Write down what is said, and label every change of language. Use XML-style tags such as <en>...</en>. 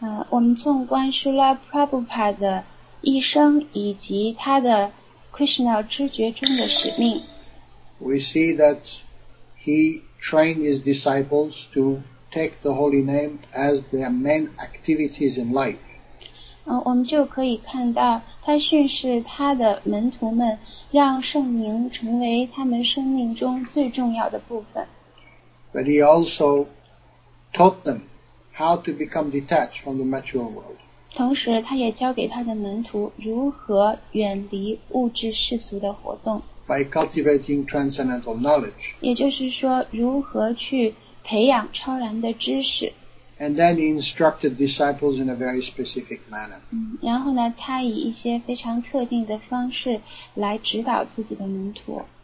<zh>我们纵观 Srila Prabhupada 的一生以及他的 Krishna 知觉中的使命，</zh> <en>we see that he trained his disciples to take the holy name as their main activities in life.</en> <zh>我们就可以看到他训示他的门徒们让圣名成为他们生命中最重要的部分。</zh> <en>But he also taught them how to become detached from the material world.</en> <zh>同时他也教给他的门徒如何远离物质世俗的活动。</zh> <en>By cultivating transcendental knowledge.</en> <zh>也就是说如何去培养超然的知识。</zh> <en>And then he instructed disciples in a very specific manner.</en> <zh>然后呢，他以一些非常特定的方式来指导自己的门徒。</zh>